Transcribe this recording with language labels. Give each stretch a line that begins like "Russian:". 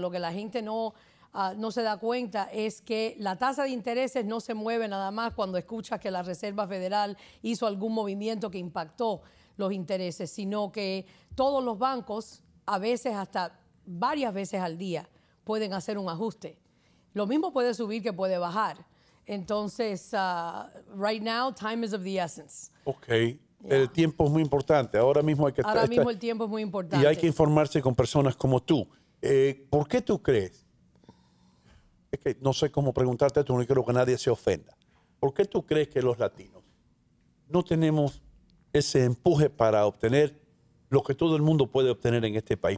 Spanish: Lo que la gente no se da cuenta es que la tasa de intereses no se mueve nada más cuando escuchas que la Reserva Federal hizo algún movimiento que impactó los intereses, sino que todos los bancos, a veces hasta varias veces al día, pueden hacer un ajuste. Lo mismo puede subir que puede bajar.
English: Entonces, right now, time is of the essence.
Spanish: Ok, yeah. El tiempo es muy importante. Ahora mismo hay que estar. Ahora mismo el tiempo es muy importante. Y hay que informarse con personas como tú. ¿Por qué tú crees? Es que no sé cómo preguntarte esto, no quiero que nadie se ofenda. ¿Por qué tú crees que los latinos no tenemos ese empuje para obtener lo que todo el mundo puede obtener en este país?